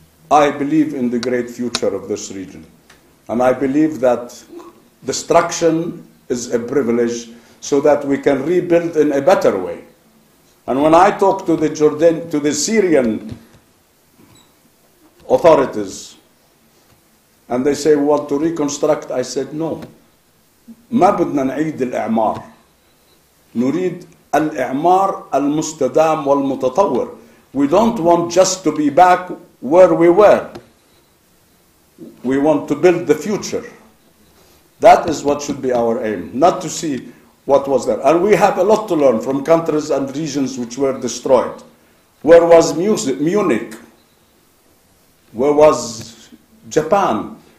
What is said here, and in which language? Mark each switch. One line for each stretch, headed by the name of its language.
English: I believe in the great future of this region. And I believe that destruction is a privilege so that we can rebuild in a better way. And when I talk to the Jordan, to the Syrian authorities, and they say we want to reconstruct, I said no.
Arabic: ما بدنا نعيد الإعمار. نريد الإعمار المستدام والمتطور.
English: We don't want just to be back where we were. We want to build the future. That is what should be our aim, not to see what was there. And we have a lot to learn from countries and regions which were destroyed. Where was Munich? Where was Japan?